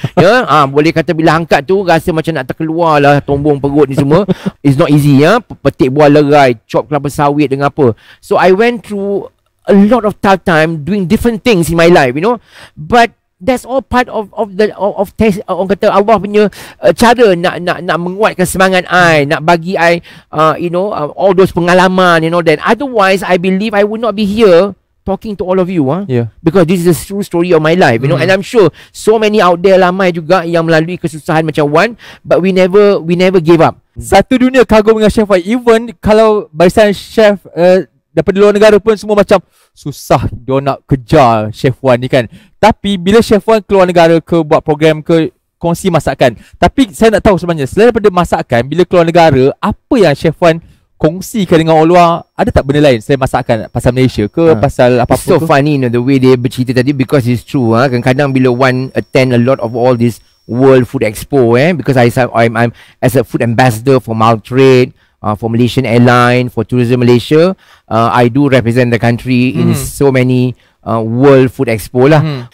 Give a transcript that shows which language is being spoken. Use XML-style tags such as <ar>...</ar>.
<ms>Ya, ah, boleh kata bila angkat tu, rasa macam nak terkeluar lah tombong perut ni semua.</ms> <en>It's not easy,</en> <ms>ya. Petik buah lerai, cok kelapa sawit dengan apa.</ms> <en>So I went through a lot of tough time doing different things in my life, you know. But that's all part of the</en> <ms>orang kata Allah punya cara nak menguatkan semangat</ms> <en>I,</en> <ms>nak bagi</ms> <en>I you know, all those pengalaman, you know. Then otherwise I believe I would not be here talking to all of you, because this is a true story of my life, you know. And I'm sure so many out there</en> <ms>ramai juga yang melalui kesusahan macam</ms> <en>Wan, but we never gave up.</en> <ms>Satu dunia kagum dengan Chef Wan. Even kalau barisan chef daripada luar negara pun semua macam susah dia nak kejar Chef Wan ni kan. Tapi bila Chef Wan keluar negara ke buat program ke kongsi masakan. Tapi saya nak tahu sebenarnya, selain daripada masakan, bila keluar negara, apa yang Chef Wan kongsikan dengan orang luar? Ada tak benda lain selain masakan, pasal Malaysia ke pasal apa-apa? So ke?</ms> <en>Funny, you know, the way</en> <ms>dia bercerita tadi,</ms> <en>because it's true.</en> <ms>Kadang-kadang bila</ms> <en>Wan attend a lot of all this World Food Expo, because I'm as a food ambassador for Maltrade, for Malaysian Airline, for Tourism Malaysia, I do represent the country in so many World Food Expo lah.</en>